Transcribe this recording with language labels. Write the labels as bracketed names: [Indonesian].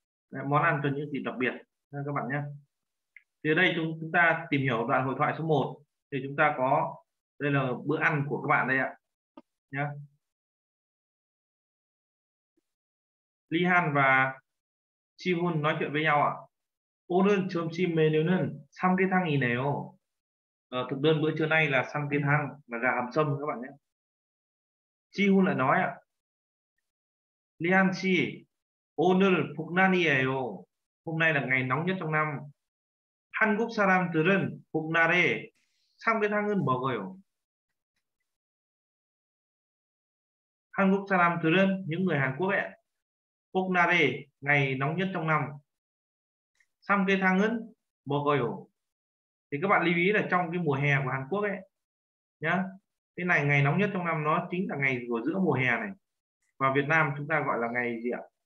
[Vietnamese] Đấy, món ăn cho những gì đặc biệt các bạn nhé. Thì ở đây chúng ta tìm hiểu đoạn hội thoại số 1, thì chúng ta có đây là bữa ăn của các bạn đây ạ nhé. Lee Han và Chi Hun nói chuyện với nhau ạ. [Korean] 오늘 점심 메뉴는 삼계탕이네요. [Vietnamese] Thực đơn bữa trưa nay là삼계탕, là gà hầm sâm các bạn nhé. Chi Hun lại nói ạ. [Korean] Lian Chi, 오늘 복날이에요. [Vietnamese] Hôm nay là ngày nóng nhất trong năm. [Korean] 한국 사람들은 복날에 삼계탕을 먹어요. 한국 사람들은 [Vietnamese] những người Hàn Quốc ạ. [Korean] 복날에 [Vietnamese] ngày nóng nhất trong năm. [Korean] 삼계탕은 먹어요. [Vietnamese] Thì các bạn lưu ý là trong cái mùa hè của Hàn Quốc ấy nhá. Cái này ngày nóng nhất trong năm nó chính là ngày của giữa mùa hè này. Và Việt Nam chúng ta gọi là ngày gì ạ?